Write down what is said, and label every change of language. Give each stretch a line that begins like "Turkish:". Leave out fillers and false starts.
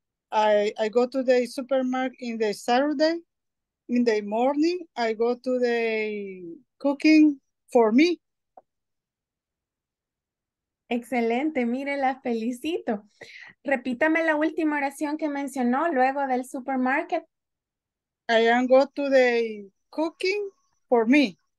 English: I go to the supermarket in the Saturday. In the morning, I go to the cooking for me.
Spanish: Excelente, mire, la felicito. Repítame la última oración que mencionó luego del supermarket.
English: I am go to the cooking for me.